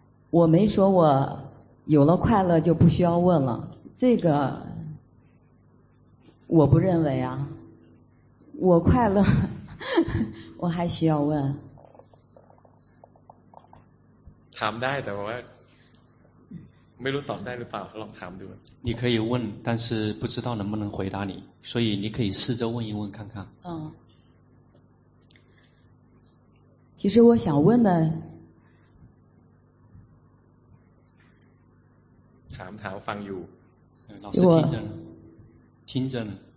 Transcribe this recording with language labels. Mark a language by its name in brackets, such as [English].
[Chinese] 我没说我有了快乐就不需要问了这个我不认为啊我快乐我还需要问 [Thai] ถามได้แต่ว่าไม่รู้ตอบได้หรือเปล่าลองถามดู [Chinese] 你可以问但是不知道能不能回答你所以你可以试着问一问看看嗯其实我想问的 [Thai] ถามฟังอยู่ [Chinese] 老师听着呢